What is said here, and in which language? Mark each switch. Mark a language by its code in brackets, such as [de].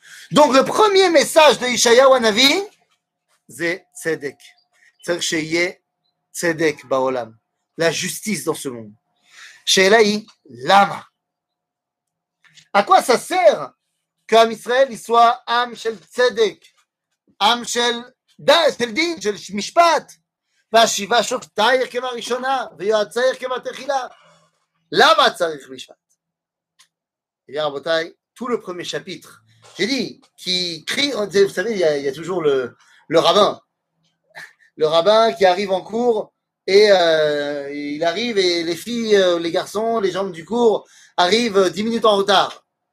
[fr] Donc, le premier message de Ishayahu Hanavi, c'est tzedek. C'est-à-dire, [he] sheye tzedek baolam. [fr] La justice dans ce monde. [he] Sheilai lama. [fr] À quoi ça sert qu'Am Israël soit [he] am shel tzedek? עם של דין, של משפט, והשיבה שופטייך כבראשונה, ויועצייך כבתחילה. למה צריך משפט? יא רבותיי, [fr] tout le premier chapitre, j'ai dit, qui crie, vous savez, il y a toujours le rabbin. Le rabbin qui arrive en cours, et il arrive, et les filles, les garçons, les gens du cours, arrivent 10 minutes en retard.